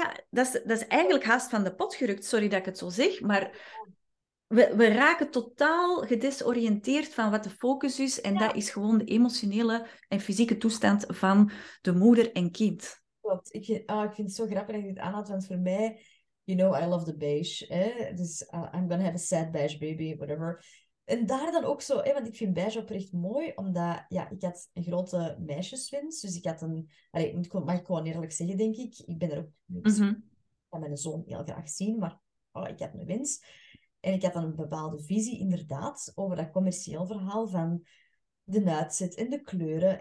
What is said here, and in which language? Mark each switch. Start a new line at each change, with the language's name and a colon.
Dutch: Dat is eigenlijk haast van de pot gerukt, sorry dat ik het zo zeg, maar we raken totaal gedesoriënteerd van wat de focus is en dat is gewoon de emotionele en fysieke toestand van de moeder en kind. Klopt. Ik vind het zo grappig dat je het aanhaalt, want voor mij,
English: you know, I love the beige. Eh?
Dutch: Dus
English: I'm gonna have a sad beige baby, whatever.
Dutch: En daar dan ook zo, hé, want ik vind beige oprecht mooi, omdat ik had een grote meisjeswens. Dus ik had een, mag ik gewoon eerlijk zeggen, denk ik. Ik ben er ook, kan mijn zoon heel graag zien, maar ik had een wens. En ik had dan een bepaalde visie, inderdaad, over dat commercieel verhaal van de uitzet en de kleuren.